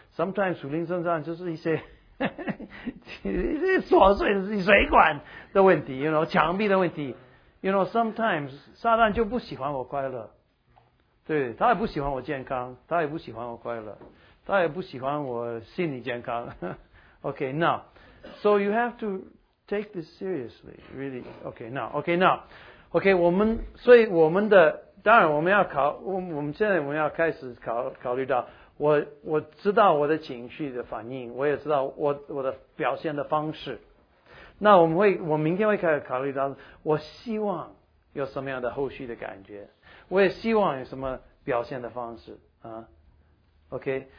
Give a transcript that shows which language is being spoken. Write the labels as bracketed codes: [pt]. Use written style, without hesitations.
[en] Sometimes [zh] 属灵征战就是一些琐碎的水管的问题 [en] you know, [zh] 墙壁的问题。 [en] You know, sometimes, [zh] 撒旦就不喜欢我快乐。对，他也不喜欢我健康，他也不喜欢我快乐，他也不喜欢我心理健康。 [en] Okay, now, so you have to take this seriously, really. [zh] Okay, 所以我们的，当然我们要考，我们现在我们要开始考虑到，我知道我的情绪的反应，我也知道我的表现的方式。那我明天会开始考虑到，我希望有什么样的后续的感觉，我也希望有什么表现的方式啊 ，OK。